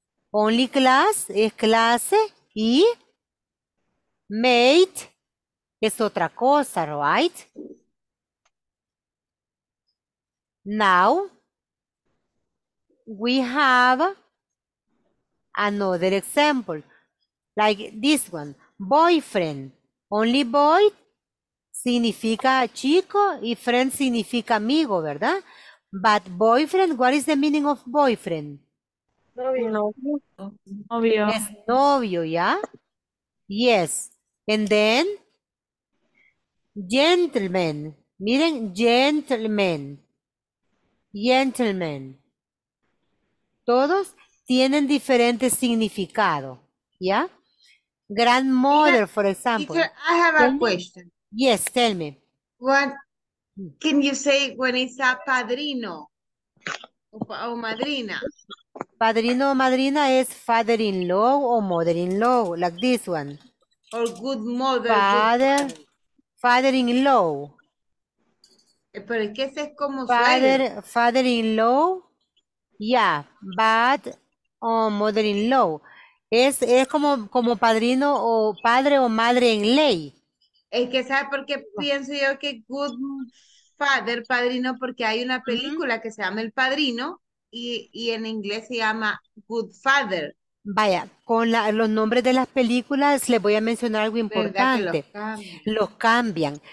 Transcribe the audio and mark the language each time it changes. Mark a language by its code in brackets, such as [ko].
[en] Only class [es] es clase y mate es otra cosa, [en] right? Now we have another example, like this one, boyfriend. [es] Only boy significa chico y friend significa amigo, ¿verdad? [en] But boyfriend, what is the meaning of boyfriend? [es] Novio. Es novio, ¿ya? [en] Yes. And then, gentleman. [es] Miren, gentleman. Gentleman. Todos tienen diferente significado, ¿ya? [en] Grandmother, for example. Teacher, I have a question. Yes, tell me. What can you say when it's a padrino o madrina? [es] Padrino o madrina es father-in-law o mother-in-law, [en] like this one. Or good mother. Father, father-in-law. [es] Pero es que ese es como father, suele. [en] Father-in-law, yeah, but mother-in-law. [es] Es como, como padrino o padre o madre en ley. Es que sabe por qué pienso yo que good father, padrino, porque hay una película que se llama El Padrino y en inglés se llama good father. Vaya, con la, los nombres de las películas les voy a mencionar algo importante. Los cambian.